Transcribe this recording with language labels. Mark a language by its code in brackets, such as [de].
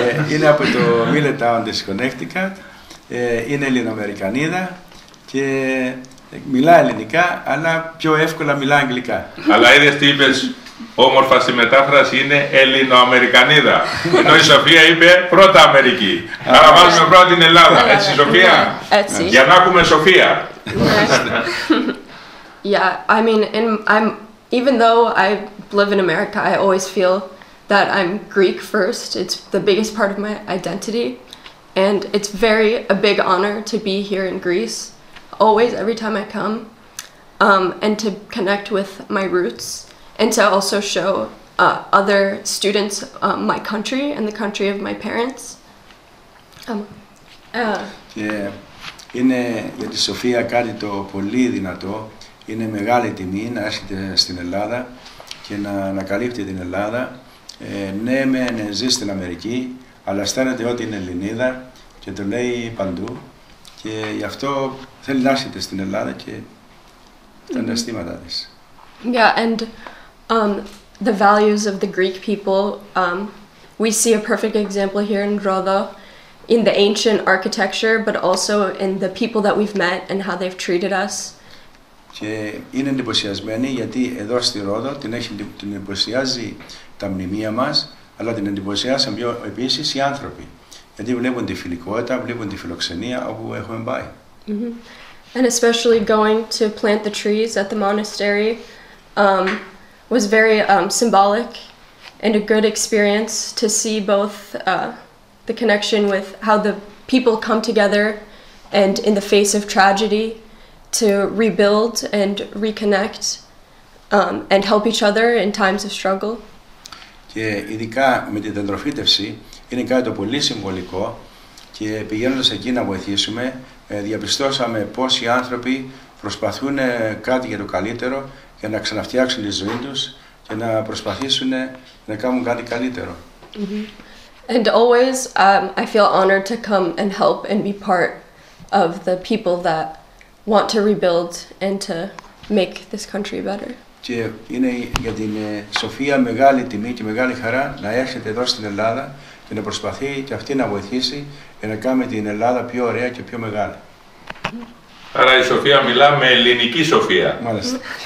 [el] Είναι από το Middletown της Connecticut. Είναι Ελληνοαμερικανίδα και μιλά ελληνικά, αλλά πιο εύκολα μιλά αγγλικά. Αλλά είδες τι είπες, όμορφα στη μετάφραση είναι Ελληνοαμερικανίδα. Ενώ η Σοφία είπε πρώτα Αμερική. Άρα βάζουμε πρώτα την Ελλάδα. Έτσι, Σοφία. Έτσι. Για να έχουμε Σοφία. [en] Yeah, I mean, in, I'm even though I live in America, I always feel that I'm Greek first. It's the biggest part of my identity, and it's very a big honor to be here in Greece. Always, every time I come, and to connect with my roots, and to also show other students my country and the country of my parents. [el] Yeah, είναι για τη Σοφία κάτι το πολύ δυνατό. Είναι μεγάλη τιμή να έρχεται στην Ελλάδα και να ανακαλύπτει την Ελλάδα. Ναι, μεν ζει στην Αμερική, αλλά αισθάνεται ότι είναι Ελληνίδα και το λέει παντού. Και γι' αυτό θέλει να έρχεται στην Ελλάδα και τα αισθήματά της. [en] Yeah, and the values of the Greek people, we see a perfect example here in Rodo, in the ancient architecture, but also in the people that we've met and how they've treated us. [el] Και είναι εντυπωσιασμένη γιατί εδώ στη Ρόδο την εντυπωσιάζει τα μνημεία μας, αλλά την εντυπωσιάζουν πιο επίσης οι άνθρωποι. Γιατί βλέπουν τη φιλικότητα, βλέπουν τη φιλοξενία όπου έχουμε πάει. Mm-hmm. [en] And especially going to plant the trees at the monastery was very symbolic and a good experience to see both the connection with how the people come together and in the face of tragedy to rebuild and reconnect and help each other in times of struggle. [el] Και ειδικά με τη δεντροφύτευση είναι κάτι το πολύ συμβολικό και πηγαίνοντας εκεί να βοηθήσουμε διαπιστώσαμε πως οι άνθρωποι προσπαθούν κάτι για το καλύτερο για να ξαναφτιάξουν τη ζωή τους και να προσπαθήσουν να κάνουν κάτι καλύτερο. Mm-hmm. [en] And always I feel honored to come and help and be part of the people that want to rebuild and to make this country better. [el] Και είναι για την Σοφία μεγάλη τιμή και μεγάλη χαρά να έρχεται εδώ στην Ελλάδα και να προσπαθεί και αυτή να βοηθήσει για να κάνει την Ελλάδα πιο ωραία και πιο μεγάλη. Άρα η Σοφία μιλά με ελληνική Σοφία. Μάλιστα.